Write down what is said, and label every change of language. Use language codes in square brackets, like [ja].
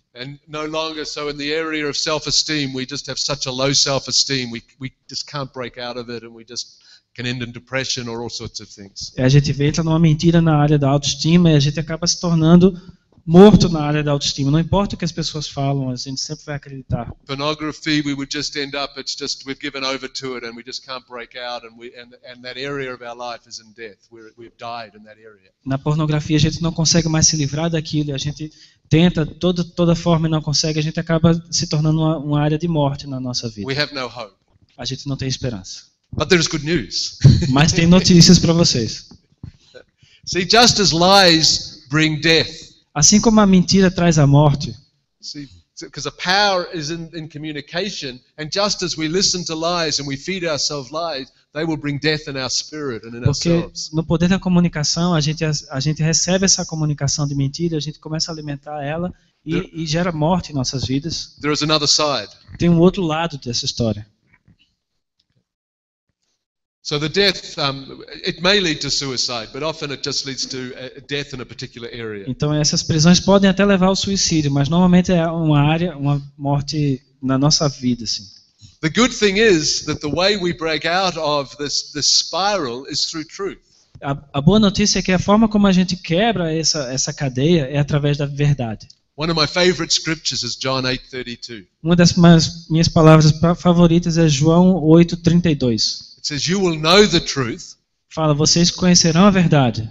[en] And no longer so in the area of self-esteem, we just have such a low self-esteem, we just can't break out of it and we just can end in depression or all sorts of things. [pt] A gente entra numa mentira na área da autoestima e a gente acaba se tornando morto na área da autoestima. Não importa o que as pessoas falam, a gente sempre vai acreditar. [en] Pornography, we would just end up, it's just we've given over to it and we just can't break out and that area of our life is in death. We've died in that area. [pt] Na pornografia a gente não consegue mais se livrar daquilo e a gente tenta de toda forma e não consegue, a gente acaba se tornando uma área de morte na nossa vida. [en] We have no hope. [pt] A gente não tem esperança. [en] But there's good news. [pt] Mas tem notícias para vocês. [en] See, just as lies bring death. [pt] Assim como a mentira traz a morte. [en] See, because the power is in communication, and just as we listen to lies and we feed ourselves lies, they will bring death in our spirit and in [pt] Porque [en] ourselves. [pt] No poder da comunicação, a gente recebe essa comunicação de mentira, a gente começa a alimentar ela e gera morte em nossas vidas. [en] There is another side. [pt] Tem um outro lado dessa história. [en] So the death, it may lead to suicide, but often it just leads to death in a particular area. [pt] Então essas prisões podem até levar ao suicídio, mas normalmente é uma área, uma morte na nossa vida, assim. [en] The good thing is that the way we break out of this spiral is through truth. [pt] A boa notícia é que a forma como a gente quebra essa cadeia é através da verdade. [en] One of my favorite scriptures is John 8:32. [pt] Uma das minhas palavras favoritas é João 8:32. [en] It says you will know the truth. [pt] Fala, vocês conhecerão a verdade.